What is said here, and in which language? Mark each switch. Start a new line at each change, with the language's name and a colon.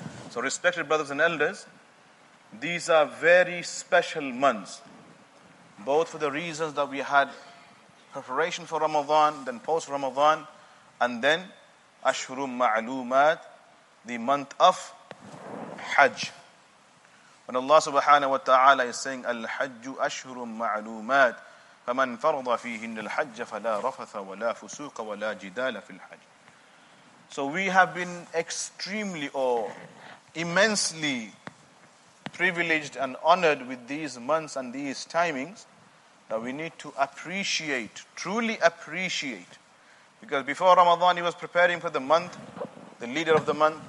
English: So respected brothers and elders, these are very special months. Both for the reasons that we had preparation for Ramadan, then post-Ramadan, and then
Arabic: Ashhurum Ma'lumat,
English: the month of Hajj. When Allah subhanahu wa ta'ala is saying,
Arabic: Al-Hajju Ashhurum Ma'lumat, فَمَنْ فَرْضَ فِيهِنَّ الْحَجَّ فَلَا رَفَثَ وَلَا فُسُوقَ وَلَا جِدَالَ فِي الْحَجِّ.
English: So we have been extremely immensely privileged and honored with these months and these timings, that we need to appreciate, truly appreciate. Because before Ramadan, he was preparing for the month, the leader of the month.